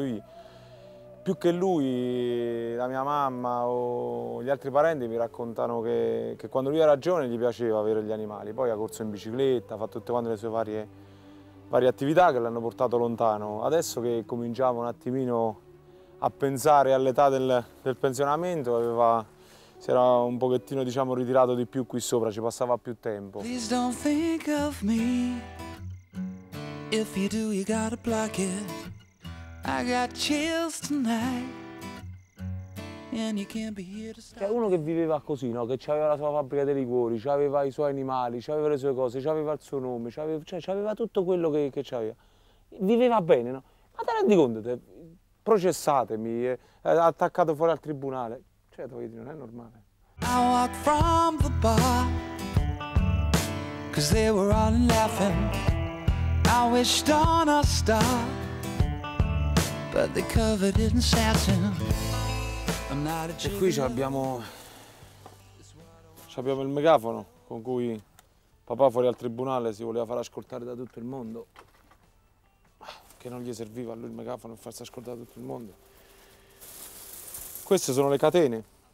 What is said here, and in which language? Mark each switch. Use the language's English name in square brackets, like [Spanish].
[Italian] Lui, più che lui, la mia mamma o gli altri parenti mi raccontano che quando lui era giovane gli piaceva avere gli animali, poi ha corso in bicicletta, ha fatto tutte quante le sue varie attività che l'hanno portato lontano. Adesso che cominciamo un attimino a pensare all'età del pensionamento, aveva... Si era un pochettino, diciamo, ritirato di più qui sopra, ci passava più tempo. [English] Please don't think of me. If you do, you gotta block it. I got chills tonight. And you can't be here to stop. [Italian] C'è uno che viveva così, no? Che c'aveva la sua fabbrica di liquori, c'aveva i suoi animali, c'aveva le sue cose, c'aveva il suo nome, c'aveva, cioè, c'aveva tutto quello che c'aveva. Viveva bene, no? Ma te rendi conto, te, processatemi, attaccato fuori al tribunale. Cioè, te voglio dire, non è normale. [English] I walk from the bar, 'cause they were all laughing. I wished on a star, but they covered it in satin. [Italian] E qui abbiamo il megafono con cui papà fuori al tribunale si voleva far ascoltare da tutto il mondo, che non gli serviva a lui il megafono per farsi ascoltare da tutto il mondo. Queste sono le catene.